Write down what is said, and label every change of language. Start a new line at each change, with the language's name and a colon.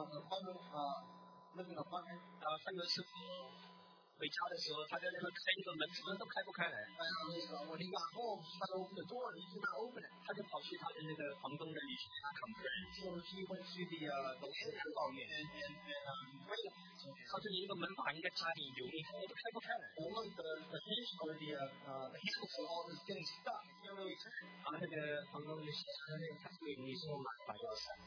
Chinese: 他有一次回家的时候，他在那边开那个门，门都开不开来。他就跑去他的那个房东那里去
English: complain。
Chinese: 他说你那个门把应该插点油，你看我都开不开来。我问
English: the hinge or the handle for all this getting stuck, it can't really turn.
Chinese: 然后那个房东就说，他说给你说买把钥匙。